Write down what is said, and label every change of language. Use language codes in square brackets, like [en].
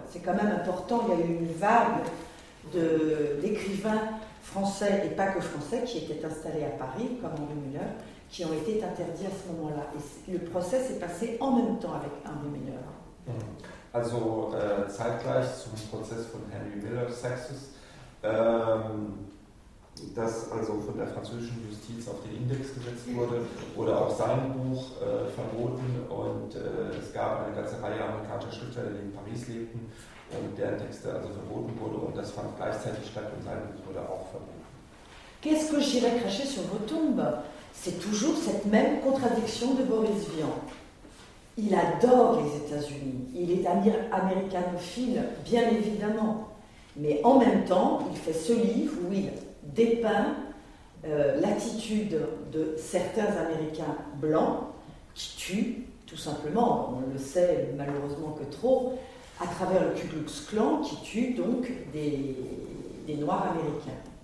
[fr] C'est quand même important, il y a eu une vague d'écrivains français et pas que français qui étaient installés à Paris, comme Henry Miller, qui ont été interdits à ce moment-là. Et le procès s'est passé en même temps avec Henry Miller. [de] Also zeitgleich zum Prozess von Henry Miller, Sexus, das also von der französischen Justiz auf den Index gesetzt wurde, wurde auch sein Buch verboten und es gab eine ganze Reihe amerikanischer Schriftsteller, die in Paris lebten und deren Texte also verboten wurde und das fand gleichzeitig statt und sein Buch wurde auch verboten. [fr] Qu'est-ce que j'irai cracher sur vos tombes? C'est toujours cette même contradiction de Boris Vian. Il adore les États-Unis, il est américanophile, bien évidemment. Mais en même temps, il fait ce livre où il dépeint l'attitude de certains Américains blancs qui tuent, tout simplement, on le sait malheureusement que trop, à travers le Ku Klux Klan, qui tue donc des Noirs américains.